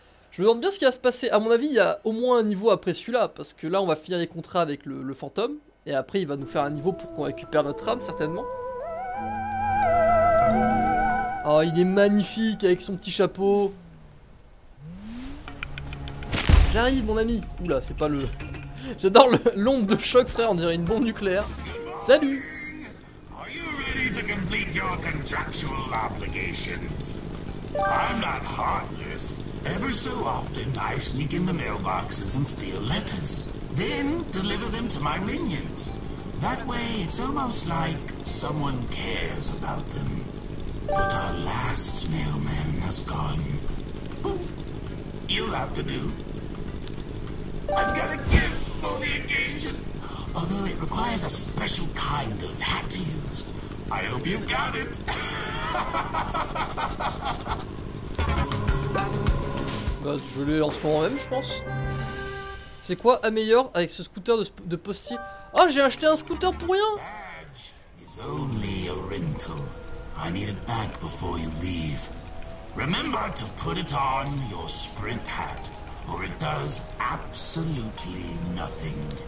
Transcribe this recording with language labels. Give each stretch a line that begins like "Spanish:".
French: Je me demande bien ce qui va se passer. À mon avis, il y a au moins un niveau après celui-là, parce que là, on va finir les contrats avec le fantôme, et après, il va nous faire un niveau pour qu'on récupère notre âme, certainement. Oh, il est magnifique avec son petit chapeau. J'arrive, mon ami. Oula, c'est pas le... J'adore l'onde de choc, frère. On dirait une bombe nucléaire. Salut.
English: Are you ready to complete your contractual obligations? I'm not heartless. Ever so often, I sneak in the mailboxes and steal letters. Then, deliver them to my minions. That way, it's almost like someone cares about them. But our last mailman has gone. Oof. You'll have to do. I've got a gift for the occasion. Although it requires a special kind of hat to use. I hope you've got it.
French: Bah, je l'ai en ce moment même, je pense. C'est quoi améliore avec ce scooter de postier? Oh, j'ai acheté un scooter pour rien.
English: It's only a rental. I need it back before you leave. Remember to put it on your sprint hat, or it does absolutely nothing.